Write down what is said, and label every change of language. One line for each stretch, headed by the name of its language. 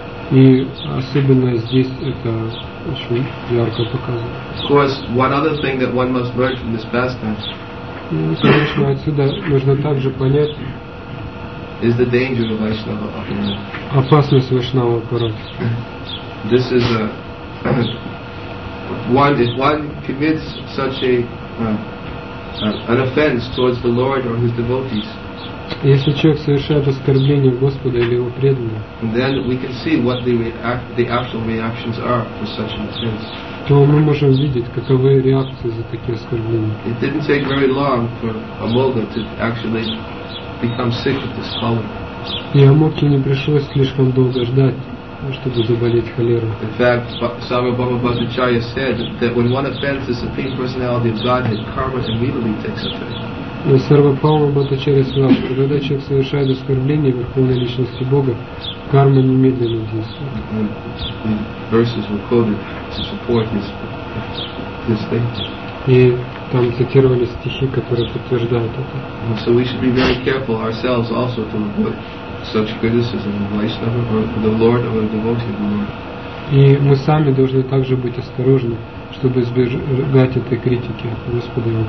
Russian: И особенно здесь это очень ярко показано.
English: Of course, one other thing that one must learn from this pastime.
Russian: Конечно, отсюда нужно также понять.
English: Is the danger of Vaishnava Aparadha.
Russian: Опасность Вайшнава Аппарата.
English: This is a one. If one commits such an offense towards the Lord or his devotees.
Russian: Если человек совершает оскорбление Господа или его преданного,
English: then we can see what the actual reactions are for such an offense.
Russian: То мы можем видеть, каковы реакции за такие оскорбления.
English: It didn't take very long for Amoga to actually become sick with this cholera.
Russian: И Амоке не пришлось слишком долго ждать, чтобы заболеть холерой.
English: In fact, Sarvabhauma Bhattacharya said that when one offends the Supreme Personality of Godhead, karma immediately takes effect.
Russian: Сарвапаума Бхаттачарья сказал, что когда человек совершает оскорбление Верховной Личности Бога, карма немедленно действует. И там цитировали стихи, которые подтверждают это.
English: So we should be very careful ourselves also to avoid such criticism of Vaishnava or the Lord or the devotee of the Lord.
Russian: И мы сами должны также быть осторожны, чтобы избегать этой критики Господа его